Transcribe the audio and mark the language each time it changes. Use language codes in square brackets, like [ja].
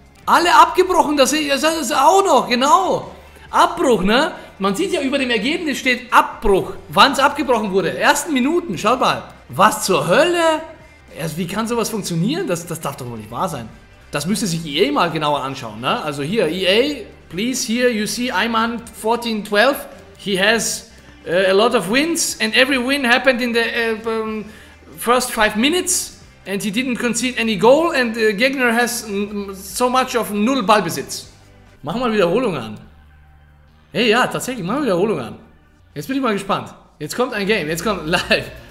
[de] Alle abgebrochen, das sehe ich, das auch noch, genau. Abbruch, ne? Man sieht ja, über dem Ergebnis steht Abbruch, wann es abgebrochen wurde. Ersten Minuten, schaut mal. Was zur Hölle? Also, wie kann sowas funktionieren? Das darf doch wohl nicht wahr sein. Das müsste sich EA mal genauer anschauen, ne? Also hier, [en] EA, please, here you see Ayman 1412. He has a lot of wins and every win happened in the first 5 minutes. And he didn't concede any goal and the Gegner has so much of [de] null Ballbesitz. Mach mal Wiederholung an. Hey, ja, tatsächlich, mach mal Wiederholung an. Jetzt bin ich mal gespannt. Jetzt kommt ein Game, jetzt kommt live.